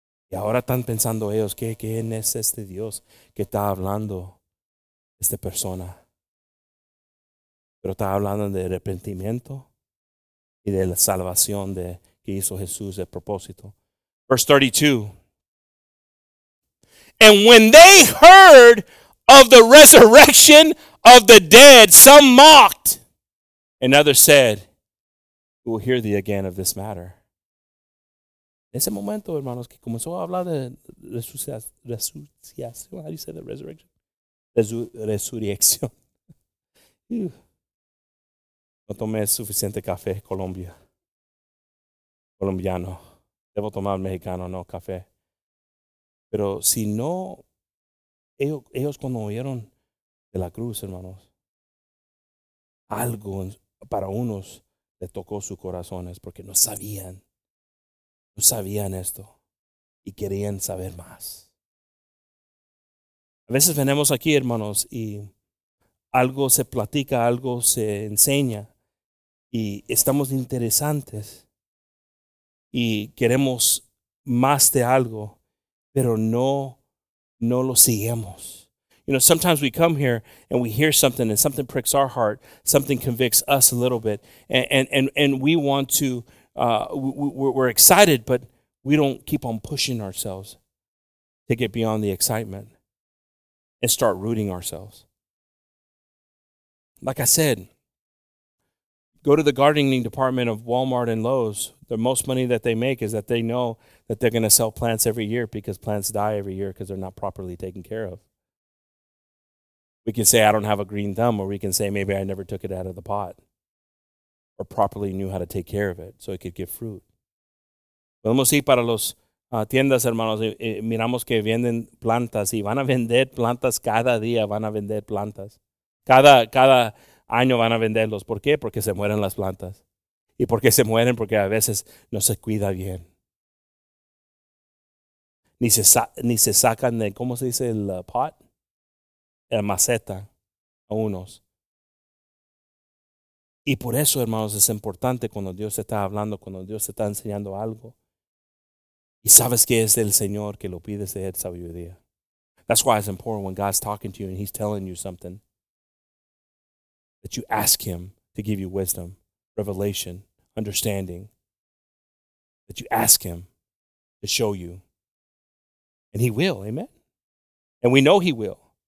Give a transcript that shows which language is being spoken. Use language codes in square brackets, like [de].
[es] Y ahora están pensando ellos, ¿qué es este Dios que está hablando esta persona? Pero está hablando de arrepentimiento. Y de la salvación de que hizo Jesús el propósito. [en] Verse 32. And when they heard of the resurrection of the dead, some mocked. And others said, we will hear thee again of this matter. [es] En ese momento, hermanos, que comenzó a hablar de resurrección. [en] How do you say that? Resurrection? Resurrección. [es] No tomé suficiente café, Colombia. Colombiano. Debo tomar mexicano, no café. Pero si no, ellos cuando oyeron de la cruz, hermanos, algo para unos le tocó sus corazones porque no sabían. No sabían esto y querían saber más. A veces venimos aquí, hermanos, y algo se platica, algo se enseña. Y estamos interesantes y queremos más de algo, pero no lo seguimos. [en] You know, sometimes we come here and we hear something and something pricks our heart, something convicts us a little bit, and we want to, we're excited, but we don't keep on pushing ourselves to get beyond the excitement and start rooting ourselves. Like I said, go to the gardening department of Walmart and Lowe's. The most money that they make is that they know that they're going to sell plants every year because plants die every year because they're not properly taken care of. We can say, I don't have a green thumb, or we can say, maybe I never took it out of the pot or properly knew how to take care of it so it could give fruit. [es] Podemos ir para las tiendas, hermanos, y miramos que venden plantas y van a vender plantas cada día, van a vender plantas. Cada año van a venderlos. ¿Por qué? Porque se mueren las plantas. ¿Y por qué se mueren? Porque a veces no se cuida bien. Ni se sacan de, ¿cómo se dice? El pot. La maceta. A unos. Y por eso, hermanos, es importante cuando Dios está hablando, cuando Dios está enseñando algo. Y sabes que es el Señor que lo pides de él sabiduría. [en] That's why it's important when God's talking to you and he's telling you something, that you ask him to give you wisdom, revelation, understanding. That you ask him to show you. And he will, amen? And we know he will.